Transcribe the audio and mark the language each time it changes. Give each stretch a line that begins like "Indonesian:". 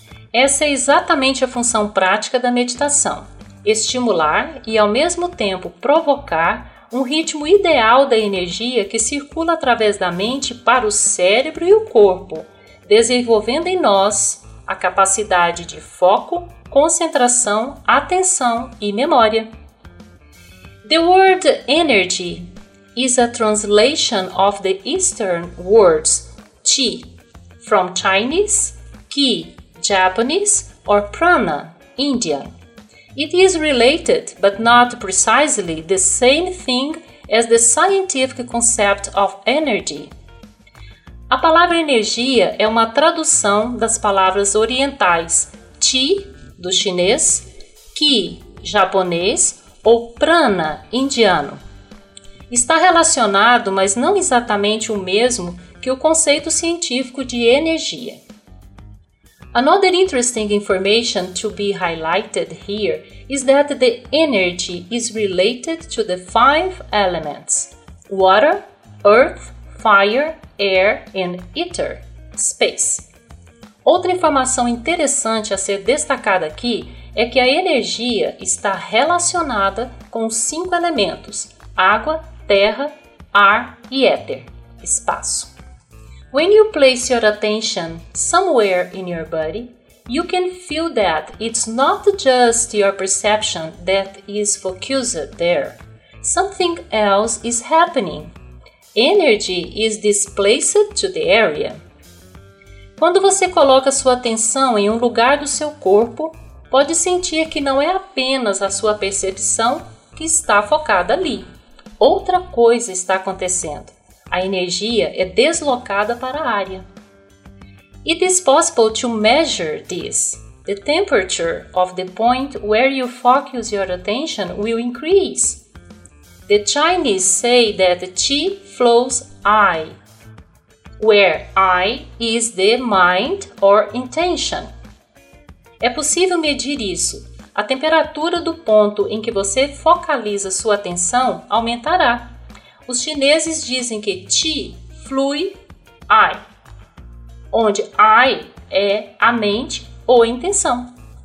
Portuguese: Essa é exatamente a função prática da meditação, estimular e ao mesmo tempo provocar um ritmo ideal da energia que circula através da mente para o cérebro e o corpo, desenvolvendo em nós a capacidade de foco, concentração, atenção e memória.
English: The word energy is a translation of the Eastern words qi from Chinese, qi Japanese, or prana Indian. It is related, but not precisely the same thing as the scientific concept of energy.
Portuguese: A palavra energia é uma tradução das palavras orientais qi, do chinês, qi, japonês, ou prana, indiano. Está relacionado, mas não exatamente o mesmo que o conceito científico de energia.
English: Another interesting information to be highlighted here is that the energy is related to the five elements: water, earth, fire, air and ether, space.
Portuguese: Outra informação interessante a ser destacada aqui é que a energia está relacionada com os cinco elementos: água, terra, ar e éter, espaço.
English: When you place your attention somewhere in your body, you can feel that it's not just your perception that is focused there. Something else is happening. Energy is displaced to the area.
Portuguese: Quando você coloca sua atenção em um lugar do seu corpo, pode sentir que não é apenas a sua percepção que está focada ali. Outra coisa está acontecendo. A energia é deslocada para a área.
English: It is possible to measure this. The temperature of the point where you focus your attention will increase. The Chinese say that qi flows I, where I is the mind or intention.
Portuguese: É possível medir isso. A temperatura do ponto em que você focaliza sua atenção aumentará. Os chineses dizem que qi flui I, onde I é a mente ou a intenção.